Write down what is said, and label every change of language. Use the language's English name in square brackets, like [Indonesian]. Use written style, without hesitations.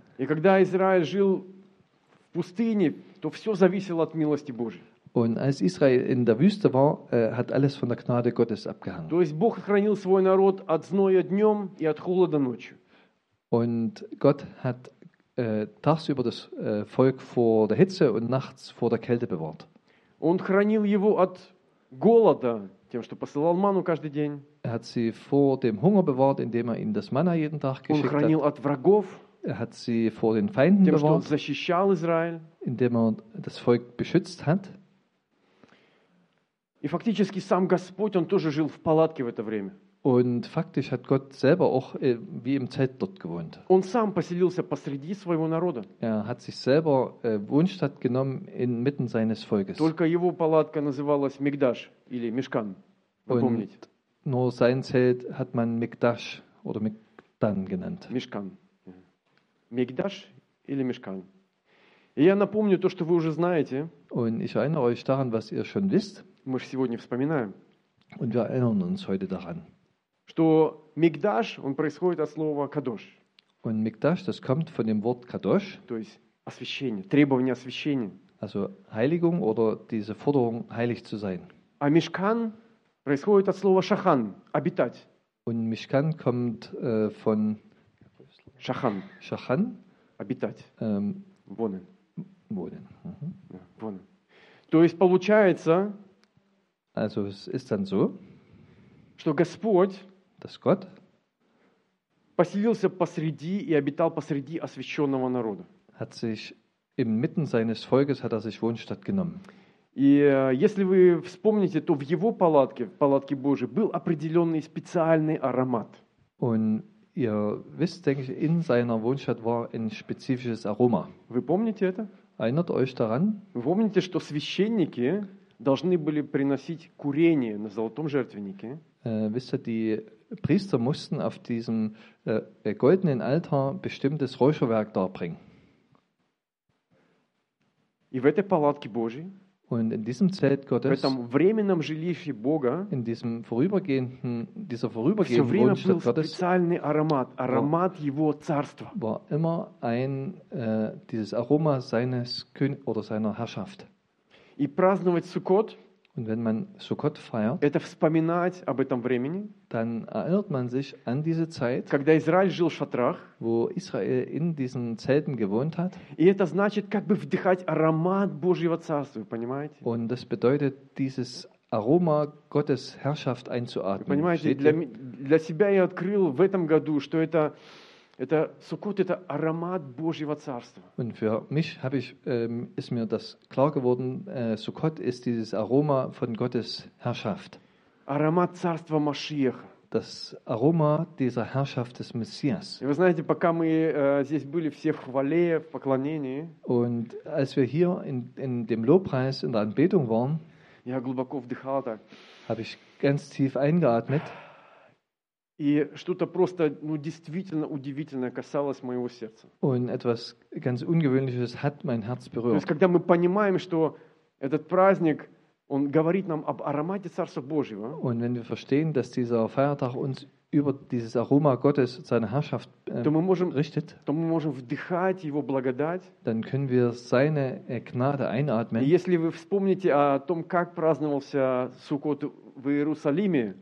[Russian] И когда Израиль жил в пустыне, то все зависело от милости Божьей. [German] Und als Israel in der Wüste war, hat alles von der Gnade Gottes abgehangen. [Russian] То есть Бог хранил свой народ от зноя днем и от холода ночью. [German] Und Gott hat tagsüber das Volk vor der Hitze und nachts vor der Kälte bewahrt. [Russian] Он хранил его от голода, тем, что посылал ману каждый день. [German] Er hat sie vor dem Hunger bewahrt, indem er ihnen das Manna jeden Tag geschickt hat. [Russian] Он хранил от врагов. [German] Er hat sie vor den Feinden [Russian] тем, [German] bewahrt. [Russian] Тем, что защищал Израиль. [German] Indem er das Volk beschützt hat. [Russian] И фактически сам Господь, он тоже жил в палатке в это время. [German] Und faktisch hat Gott selber auch wie im Zelt dort gewohnt. [Russian] Он сам поселился посреди своего народа. [German] Er hat sich selber Wohnstatt genommen inmitten seines Volkes. [Russian] Только его палатка называлась Мигдаш или Мешкан. [German] Und nur sein Zelt hat man Мигдаш oder Мигдан genannt. [Russian] Мешкан. Мигдаш или Мешкан. И я напомню то, что вы уже знаете. [German] Und ich erinnere euch daran, was ihr schon wisst. [Russian] Мы сегодня вспоминаем. [German] Und wir erinnern uns heute daran. [Russian] Что Мигдаш, он происходит от слова Кадош. [German] Und Мигдаш, das kommt von dem Wort Kadosh. [Russian] То есть освящение, требование освящения. [German] Also Heiligung oder diese Forderung, heilig zu sein. [Russian] А Мишкан происходит от слова Шахан, обитать. [German] Und Мишкан kommt von [Russian] Шахан. Шахан. Обитать. [German] Wohnen. Wohnen. Mhm. Wohnen. [Russian] То есть получается. [German] Also es ist dann so. [Russian] Что Господь, [German] dass Gott, [Russian] поселился посреди и обитал посреди освященного народа. [German] Hat sich inmitten seines Volkes hat er sich Wohnstatt genommen. [Russian] И если вы вспомните, то в его палатке, в палатке Божьей, был определенный специальный аромат. [German] Und ihr wisst, denke ich, in seiner Wohnstatt war ein spezifisches Aroma. [Russian] Вы помните это? [German] Erinnert euch daran? [Russian] Вы помните, что священники должны были приносить курение на золотом жертвеннике? [German] Wisst ihr, die Priester mussten auf diesem goldenen Altar bestimmtes Räucherwerk darbringen. [Russian] И в этой палатке Божьей, [German] und in diesem Zelt Gottes, [Russian] в этом временном жилище Бога, [German] in diesem vorübergehenden, dieser vorübergehenden Wohnstatt Gottes, [Russian] war специальный аромат, аромат его царства. [German] War immer ein dieses Aroma seines König oder seiner Herrschaft. [Russian] И праздновать Суккот. [German] Und wenn man Sukkot feiert, [Russian] это вспоминать об этом времени, [German] dann erinnert man sich an diese Zeit, [Russian] когда Израиль жил в шатрах, [German] wo Israel in diesen Zelten gewohnt hat. [Russian] И это значит, как бы вдыхать аромат Божьего царства, понимаете? [German] Und das bedeutet, dieses Aroma Gottes Herrschaft einzuatmen. [Russian] Вы понимаете, для себя я открыл в этом году, что это Суккот, это аромат Божьего царства. [German] Und für mich habe ich ist mir das klar geworden, Суккот ist dieses Aroma von Gottes Herrschaft. [Russian] Аромат царства Машиаха. [German] Das Aroma dieser Herrschaft des Messias. [Russian] И вы знаете, пока мы здесь были все в хвале, в поклонении, [German] und als wir hier in dem Lobpreis in der Anbetung waren, [Russian] я глубоко вдыхал так, [German] habe ich ganz tief eingeatmet. [Russian] И что-то просто, ну, действительно удивительное касалось моего сердца. [German] Und etwas ganz Ungewöhnliches hat mein Herz berührt. [Russian] То есть, когда мы понимаем, что этот праздник, он говорит нам об аромате Царства Божьего. [German] Und wenn wir verstehen, dass dieser Feiertag uns über dieses Aroma Gottes, seine Herrschaft richtet, [Russian] то мы можем вдыхать его благодать. [German] Dann können wir seine Gnade einatmen. [Russian] И если вы вспомните о том, как праздновался Суккот в Иерусалиме